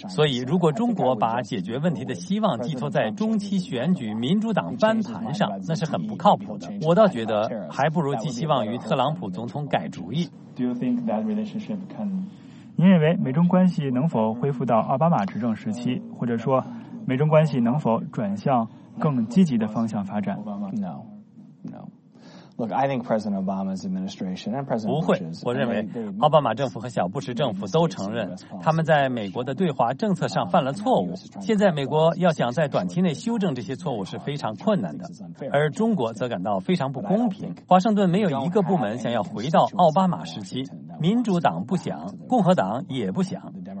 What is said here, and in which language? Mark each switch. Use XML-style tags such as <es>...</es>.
<zh>所以，如果中国把解决问题的希望寄托在中期选举民主党翻盘上，那是很不靠谱的。我倒觉得还不如寄希望于特朗普总统改主意。您认为美中关系能否恢复到奥巴马执政时期，或者说美中关系能否转向更积极的方向发展？</zh> <en>No. Look, I think President Obama's administration and President</en> <zh>Bush's 不会，我认为奥巴马政府和小布什政府都承认他们在美国的对华政策上犯了错误。现在美国要想在短期内修正这些错误是非常困难的，而中国则感到非常不公平。华盛顿没有一个部门想要回到奥巴马时期，民主党不想，共和党也不想。</zh>